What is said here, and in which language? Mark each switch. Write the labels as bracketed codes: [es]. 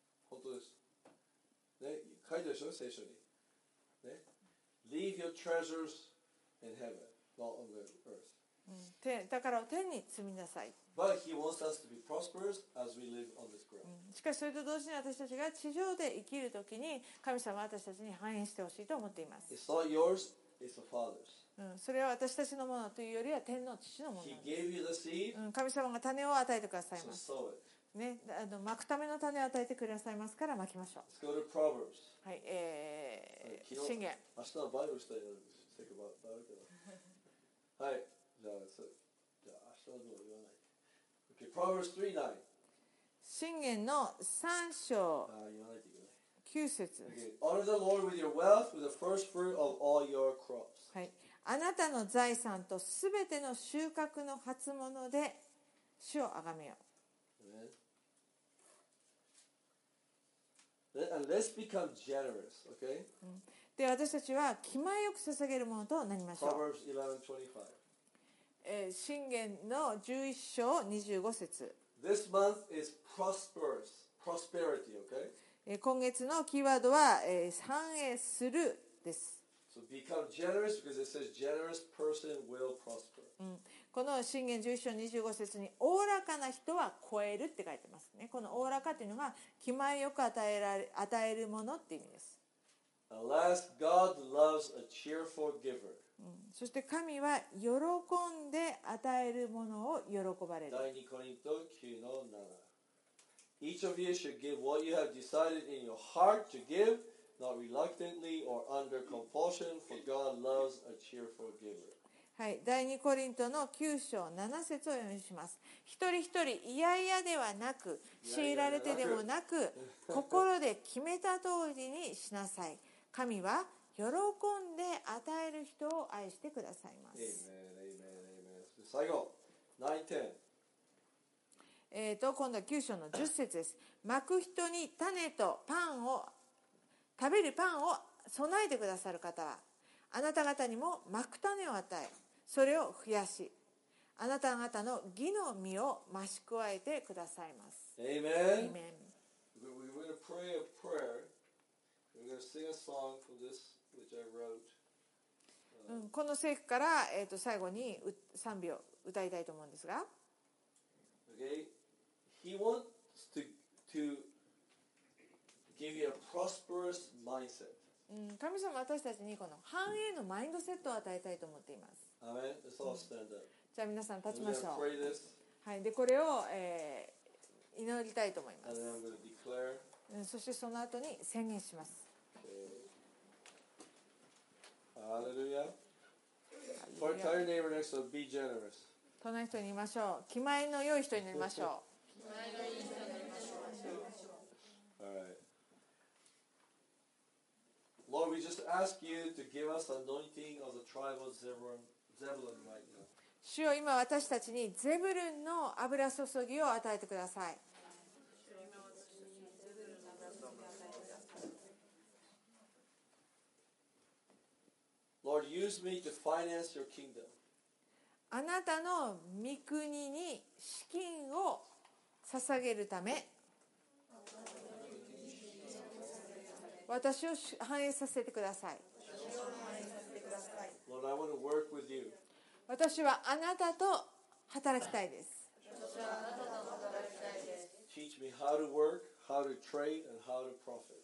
[ja] 本当です。ね、書いてるでしょ、聖書に。 [en] ね、Leave your treasures in heaven, not on the earth. [ja] うん、だから天に積みなさい。しかしそれと同時に私たちが地上で生きるときに神様は私たちに繁栄してほしいと思っています。 [en] It's not yours, it's the Father's.、 [ja] うん、それは私たちのものというよりは天の父のものです。 [en] He gave you the seed,、 [ja] うん、神様が種を与えてくださいます。 [en] So sow it. [ja] ね、巻くための種を与えてくださいますから巻きましょう。 [en] Let's go to Proverbs. [ja] はい、箴言。明日はバイブルしたいなんです。セクバイブルでは。はい。じゃあ明日はどう言わない。 [en] Okay, Proverbs [ja] 3:9. 箴言の三章九節。 [en] Okay, honor the Lord with your wealth, with the first fruit of all your crops. [ja] はい、あなたの財産とすべての収穫の初物で主を崇めよう。 [en] Amen. And let's become generous, okay? [ja] うん。で私たちは気前よく捧げるものとなりましょう。 [en] Proverbs 11:25。 [ja] 箴言の11章25節。 [en] This month is prosperous, prosperity, okay? [ja] 今月のキーワードは、繁栄するです。 [en] So become generous because it says generous person will prosper.、 [ja] うん、この箴言11章25節に、おおらかな人は超えるって書いてますね。このおおらかというのが気前よく与えるものって意味です。 [en] Alas, God loves a cheerful giver. [ja] そして神は喜んで与えるものを喜ばれる。第2コリント9の7。 [en] Each of you should give what you have decided in your heart to give, not reluctantly or under compulsion, for God loves a cheerful giver. [ja] はい、第2コリントの9章7節を読みします。一人一人いやいやではなく、強いられてでもなく、心で決めた通りにしなさい。神は喜んで与える人を愛してくださいます。最後9:10、今度は9章の10節です。まく人に種とパンを食べるパンを備えてくださる方は、あなた方にもまく種を与え、それを増やし、あなた方の義の実を増し加えてくださいます。 [en] Amen. Amen. We're going to pray a prayer. We're going to sing a song for this, which I wrote. [ja] この聖句から、最後に賛美を歌いたいと思うんですが。 [en] Okay. He wants to give you a prosperous mindset. [ja] 神様は私たちにこの繁栄のマインドセットを与えたいと思っています。 [en] Amen. Let's all stand up. [ja] じゃあ皆さん立ちましょう。 [en] We're going to pray this. [ja] はい。で、これを、祈りたいと思います。 [en] And then I'm going to declare. [ja] そしてその後に宣言します。ハレルヤ。隣の人に言いましょう。気前の良い人になりましょう。気前の良い人になりましょう。 [en] Lord, we just ask you to give us anointing of the tribe of Zebulun right now. [ja] 主よ、今私たちにゼブルンの油注ぎを与えてください。 [en] Lord, use me to finance your kingdom. [ja] あなたの御国に資金を捧げるため、私を反映させてください。 [en] Lord, I want to work with you. [ja] 私はあなたと働きたいです。 [en] Teach me how to work, how to trade, and how to profit.